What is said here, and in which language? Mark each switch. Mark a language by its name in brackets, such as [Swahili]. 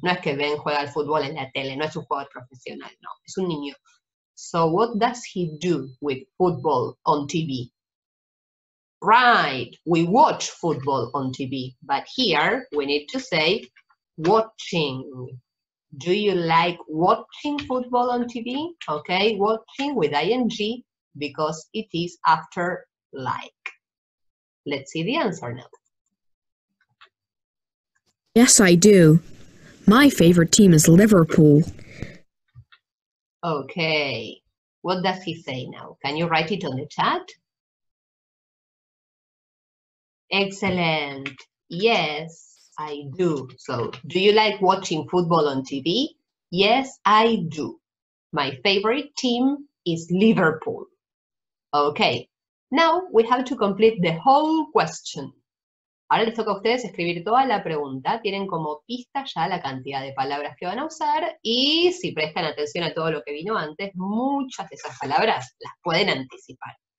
[Spanish] No es que Ben juega al fútbol en la tele, no es un jugador profesional, no. Es un niño. [English] So what does he do with football on TV? Right, we watch football on TV, but here we need to say watching. Do you like watching football on TV? Okay, watching with ing because it is after like. Let's see the answer now. Yes, I do. My favorite team is Liverpool. Okay, What does he say now? Can you write it on the chat? Excellent. Yes, I do. So, do you like watching football on TV? Yes, I do. My favorite team is Liverpool. Okay, now we have to complete the whole question. [Spanish] Ahora les toca a ustedes escribir toda la pregunta. Tienen como pista ya la cantidad de palabras que van a usar y si prestan atención a todo lo que vino antes, muchas de esas palabras las pueden anticipar.